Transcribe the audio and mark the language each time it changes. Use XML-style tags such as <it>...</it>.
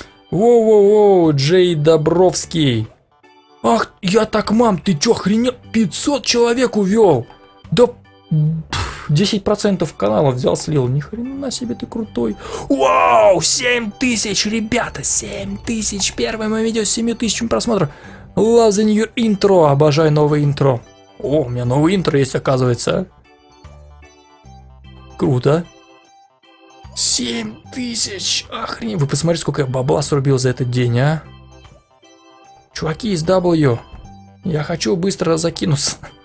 <ru>Воу-воу-воу, Джей Добровский. Ах, я так, мам, ты чё, охренел? 500 человек увёл. Да, 10% канала взял, слил. Ни хрена себе ты крутой. Воу, 7000, ребята, 7000. Первое мое видео с 7000 просмотров.</ru> <en>Love the new intro,</en> <ru>обожаю новое интро. О, у меня новое интро есть, оказывается. Круто. 7000, охренеть, вы посмотрите, сколько я бабла срубил за этот день, а. Чуваки из W, я хочу быстро закинуться.</ru>